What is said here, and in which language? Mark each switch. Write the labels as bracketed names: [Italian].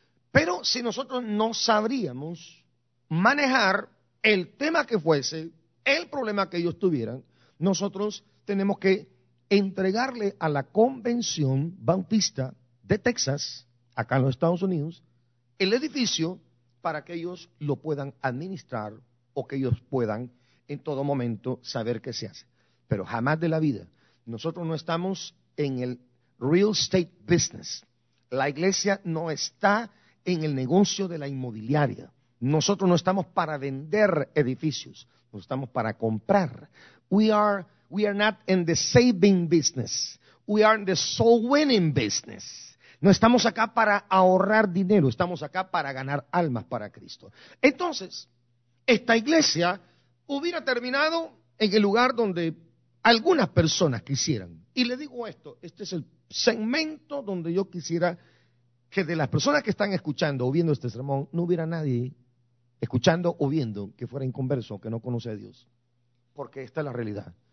[Spanish] Pero si nosotros no sabríamos manejar el tema que fuese, el problema que ellos tuvieran, nosotros tenemos que entregarle a la Convención Bautista de Texas, acá en los Estados Unidos, el edificio para que ellos lo puedan administrar o que ellos puedan en todo momento saber qué se hace. Pero jamás de la vida. [English] Nosotros no estamos en el real estate business. [Spanish] La iglesia no está en el negocio de la inmobiliaria. Nosotros no estamos para vender edificios. Nosotros estamos para comprar. [English] We are not in the saving business. We are in the soul winning business. [Spanish] No estamos acá para ahorrar dinero. Estamos acá para ganar almas para Cristo. Entonces, esta iglesia hubiera terminado en el lugar donde algunas personas quisieran. Y le digo esto, este es el segmento donde yo quisiera que de las personas que están escuchando o viendo este sermón, no hubiera nadie escuchando o viendo que fuera inconverso, que no conoce a Dios. Porque esta es la realidad.